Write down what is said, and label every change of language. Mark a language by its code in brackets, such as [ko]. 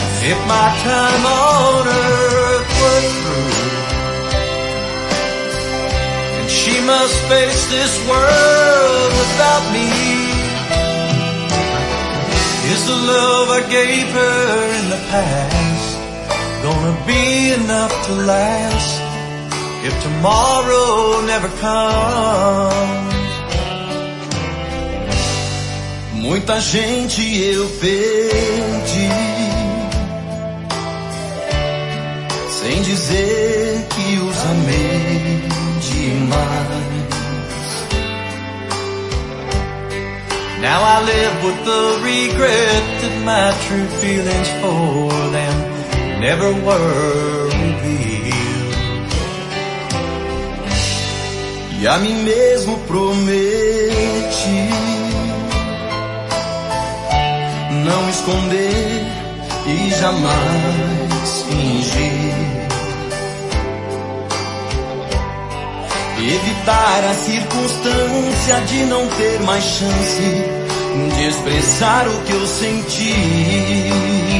[en] If my time on earth was true, and she must face this world without me, is the love I gave her in the past gonna be enough to last if tomorrow never comes? [pt] Muita gente eu perdi, sem dizer que os amei demais. [en] Now I live with the regret that my true feelings for them never were revealed. [pt] E a mim mesmo prometi não esconder e jamais fingir, evitar a circunstância de não ter mais chance de expressar o que eu senti.